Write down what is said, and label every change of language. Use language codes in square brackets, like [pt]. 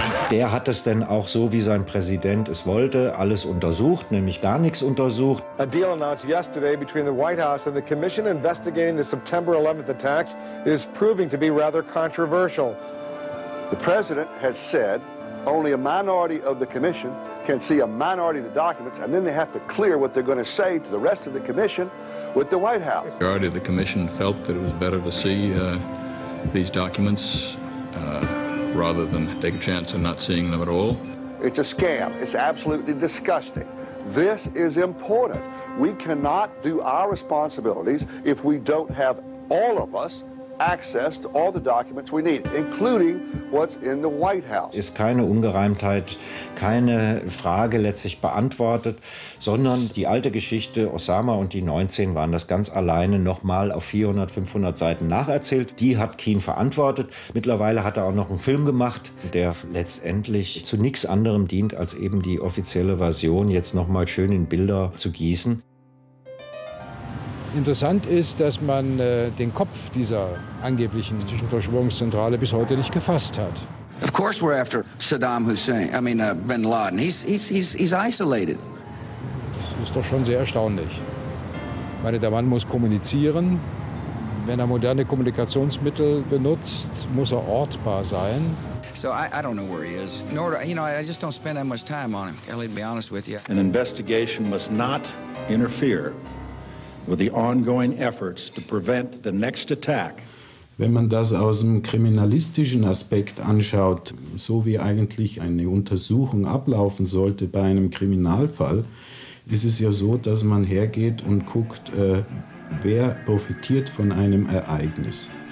[de] Der hat es denn auch so, wie sein Präsident es wollte, alles untersucht, nämlich gar nichts untersucht. [en] A deal announced yesterday between the White House and the commission investigating the September 11th attacks is proving to be rather controversial. The president has said only a minority of the commission can see a minority of the documents, and then they have to clear what they're going to say to the rest of the commission with the White House. The majority of the commission felt that it was better to see these documents rather than take a chance of not seeing them at all. It's a scam. It's absolutely disgusting. This is important. We cannot do our responsibilities if we don't have all of us access to all the documents we need, including what's in the White House. [de] Ist keine Ungereimtheit, keine Frage letztlich beantwortet, sondern die alte Geschichte Osama und die 19 waren das ganz alleine nochmal auf 400, 500 Seiten nacherzählt. Die hat Keen verantwortet. Mittlerweile hat er auch noch einen Film gemacht, der letztendlich zu nichts anderem dient, als eben die offizielle Version jetzt nochmal schön in Bilder zu gießen. Interessant ist, dass man den Kopf dieser angeblichen Verschwörungszentrale bis heute nicht gefasst hat. [en] Of course we're after Saddam Hussein, I mean Bin Laden. He's isolated. [de] Das ist doch schon sehr erstaunlich. Ich meine, der Mann muss kommunizieren. Wenn er moderne Kommunikationsmittel benutzt, muss er ortbar sein. [en] So I don't know where he is. Nor do, you know, I just don't spend that much time on him. Kelly, to be honest with you. An investigation must not interfere with the ongoing efforts to prevent the next attack. [de] Wenn man das aus dem kriminalistischen Aspekt anschaut, so wie eigentlich eine Untersuchung ablaufen sollte bei einem Kriminalfall, ist es ja so, dass man hergeht und guckt, wer profitiert von einem Ereignis.